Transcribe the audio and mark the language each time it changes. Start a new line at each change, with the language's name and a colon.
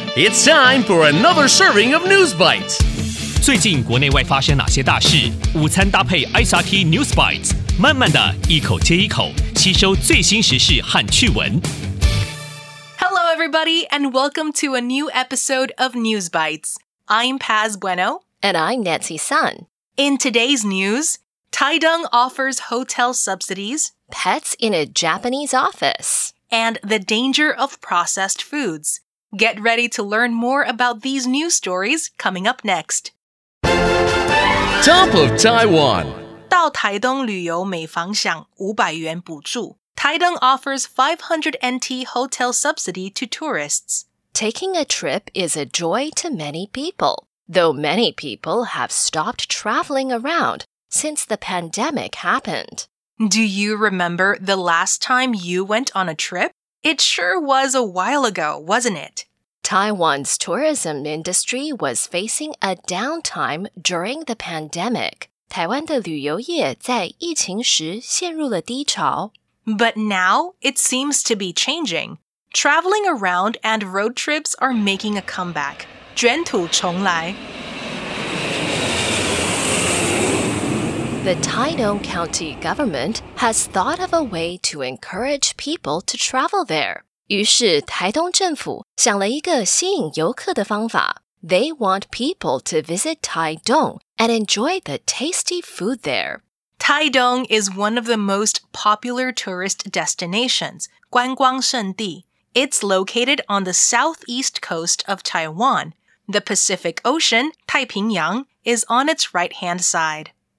English: It's time for another serving of News Bites.
Chinese: 最近国内外发生哪些大事？午餐搭配 SRT News Bites， 慢慢的一口接一口，吸收最新时事和趣闻。
English: Hello, everybody, and welcome to a new episode of News Bites. I'm Paz Bueno, and I'm Nancy Sun. In today's news, Taitung offers hotel subsidies, pets in a Japanese office. And the danger of processed foods. Get ready to learn more about these news stories coming up next. Top of Taiwan.
Chinese: 到台東旅遊每房享500元補助。
English: Taitung offers 500 NT hotel subsidy to tourists. Taking a trip is a joy to many people, though many people have stopped traveling around since the pandemic happened. Do you remember the last time you went on a trip? It sure was a while ago, wasn't it? Taiwan's tourism industry was facing a downtime during the pandemic.
Chinese: 台湾的旅游业在疫情时陷入了低潮。
English: But now, it seems to be changing. Traveling around and road trips are making a comeback.
Chinese: 卷土重来。
English: The Taitung County Government has thought of a way to encourage people to travel there.
Chinese: 于是台东政府想了一个吸引游客的方法。
English: They want people to visit Taitung and enjoy the tasty food there. Taitung is one of the most popular tourist destinations,
Chinese: 观光胜地。
English: It's located on the southeast coast of Taiwan. The Pacific Ocean,
Chinese: 太平洋,
English: is on its right-hand side.